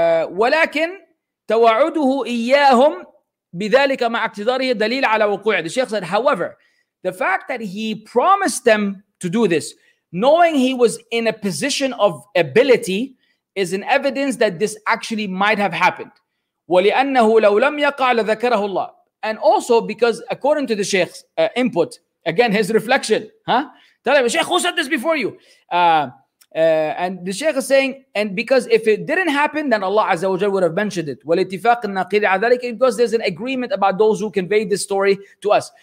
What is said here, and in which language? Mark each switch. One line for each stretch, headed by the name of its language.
Arabic: ولكن تَوَعُدُهُ إِيَّاهُمْ بذلك مع اعتذاره دليل على وقوعه.
English: The Sheikh said, however, the fact that he promised them to do this, knowing he was in a position of ability, is an evidence that this actually might have happened.
Arabic: ولأنه لو لم يقع لذكره الله.
English: And also because according to the Sheikh's input, again, his reflection, huh? Tell him, Sheikh, who said this before you? And the Sheikh is saying, and because if it didn't happen, then Allah Azza wa Jal would have mentioned it. Because there's an agreement about those who conveyed this story to us.